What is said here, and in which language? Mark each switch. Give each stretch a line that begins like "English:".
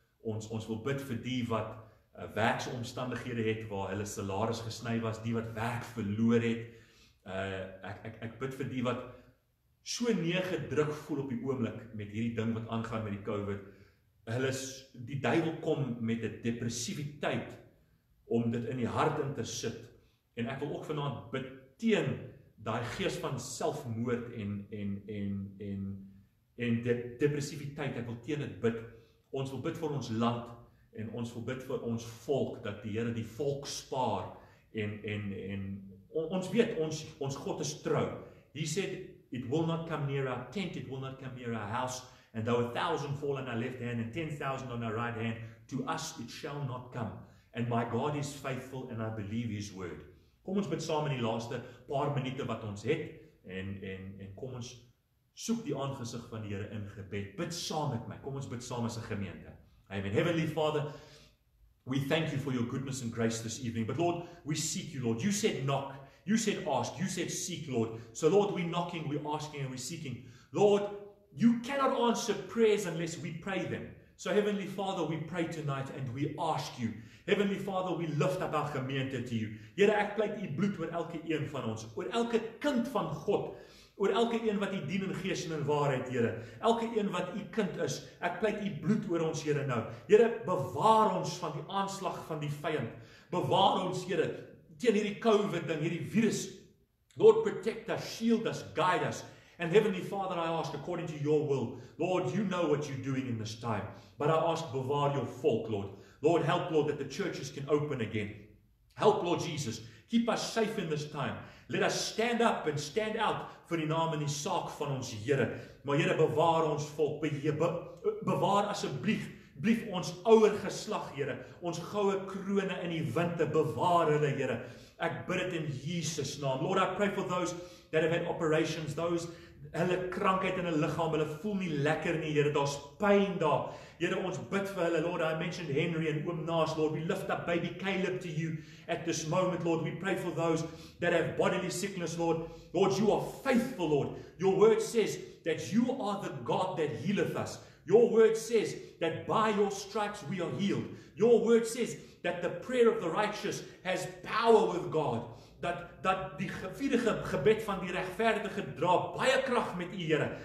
Afrikaans: Ons wil bid vir die wat werksomstandighede het waar hulle salaris gesny was, die wat werk verloor het. Ek bid vir die wat so neergedruk voel op die oomblik met hierdie ding wat aangaan met die COVID. Hulle is die duiwel kom met 'n depressiwiteit om dit in die hart in te sit. En ek wil ook vanaand bid teen daai gees van selfmoord en depressiviteit. Ek wil teen dit bid. Ons wil bid vir ons land en ons wil bid vir ons volk dat die Here die volk spaar en ons weet ons God is trou.
English: He said it will not come near our tent, it will not come near our house, and though 1,000 fall on our left hand and 10,000 on our right hand, to us it shall not come. And my God is faithful and I believe his word.
Afrikaans: Kom ons bid saam in die laaste paar minute wat ons het en kom ons soek die aangesig van die Here in gebed. Bid saam met my. Kom ons bid saam as 'n gemeente. Amen.
English: Heavenly Father, we thank you for your goodness and grace this evening. But Lord, we seek you, Lord. You said knock, you said ask, you said seek, Lord. So Lord, we knocking, we asking and we seeking. Lord, you cannot answer prayers unless we pray them. So Heavenly Father, we pray tonight and we ask you. Heavenly Father, we lift up our gemeente to you.
Afrikaans: Here ek pleit u bloed oor elke een van ons, oor elke kind van God, oor elke een wat u dien in gees en in waarheid, Here. Elke een wat u kind is, ek pleit u bloed oor ons, Here nou. Here, bewaar ons van die aanslag van die vyand. Bewaar ons, Here, teen hierdie COVID ding, hierdie virus.
English: Lord, protect us, shield us, guide us. And Heavenly Father, I ask according to your will. Lord, you know what you're doing in this time. But I ask, bewaar your volk, Lord. Lord, help, Lord, that the churches can open again. Help, Lord Jesus, keep us safe in this time. Let us stand up and stand out vir die naam en die saak van ons Here.
Afrikaans: Maar Here, bewaar ons volk, bewaar asseblief, blief ons ouer geslag, Here, ons goue krone in die winde, bewaar hulle, Here. Ek bid dit in Jesus naam. Lord, I pray for those that have had operations, those hulle krankheid in hulle liggaam, hulle voel nie lekker nie, Here, daar's pyn daar.
English: Here, ons bid vir hulle, Lord, I mentioned Henry and Oom Naas, Lord, we lift up baby Caleb to you at this moment, Lord. We pray for those that have bodily sickness, Lord. Lord, you are faithful, Lord. Your word says that you are the God that healeth us. Your word says that by your stripes we are healed. Your word says that the prayer of the righteous has power with God.
Afrikaans: Dat die vierde gebed van die regverdige dra baie krag met u Here.